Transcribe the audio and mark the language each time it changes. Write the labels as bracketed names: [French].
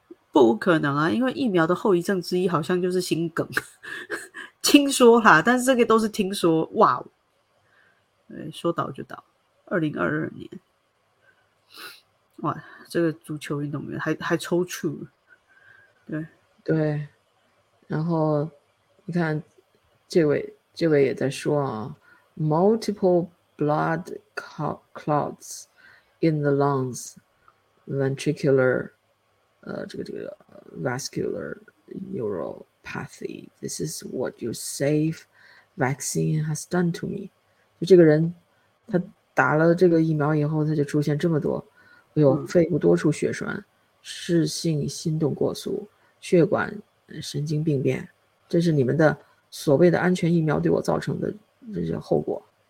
[Chinese] 不可能啊，因为疫苗的后遗症之一好像就是心梗，听说啦，但是这个都是听说。哇，对，说倒就倒，2022年。哇，这个足球运动员还抽搐。对，然后你看这位也在说啊， [English] multiple blood clots in the lungs, ventricular, vascular neuropathy. This is what your safe vaccine has done to me. [Chinese] 就这个人，他打了这个疫苗以后，他就出现这么多，肺部多处血栓，室性心动过速。血管神经病变，这是你们的所谓的安全疫苗对我造成的这些后果。